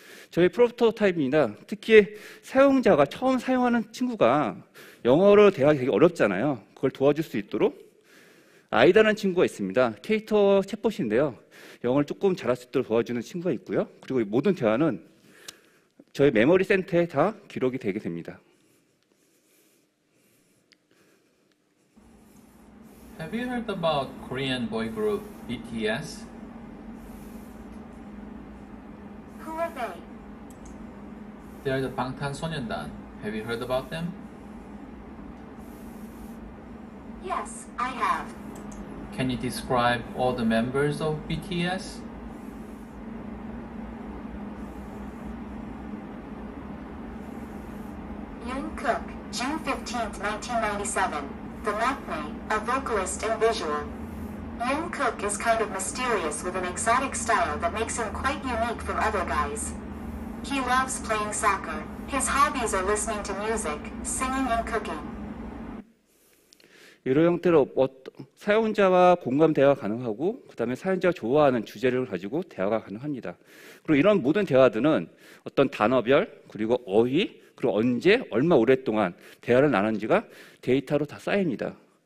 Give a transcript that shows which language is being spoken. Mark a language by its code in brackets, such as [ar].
[ko] 저희 프로토타입입니다. 특히 사용자가 처음 사용하는 친구가 영어로 대화하기 되게 어렵잖아요. 그걸 도와줄 수 있도록 아이다라는 친구가 있습니다. 케이터 챗봇인데요. 영어를 조금 잘할 수 있도록 도와주는 친구가 있고요. 그리고 이 모든 대화는 저희 메모리 센터에 다 기록이 되게 됩니다. [en] Have you heard about Korean boy group BTS? Who are they? They are the Bangtan [ko] 소년단. [en] Have you heard about them? Yes, I have. Can you describe all the members of BTS? Jungkook, June 15, 1997. The Maknae, a vocalist and visual. Jungkook is kind of mysterious with an exotic style that makes him quite unique from other guys. He loves playing soccer. His hobbies are listening to music, singing and cooking. [ko] 이런 형태로 사용자와 공감 대화가 가능하고 그 다음에 사용자가 좋아하는 주제를 가지고 대화가 가능합니다. 그리고 이런 모든 대화들은 어떤 단어별 그리고 어휘 그리고 언제 얼마 오랫동안 대화를 나눈지가 데이터로 다 쌓입니다.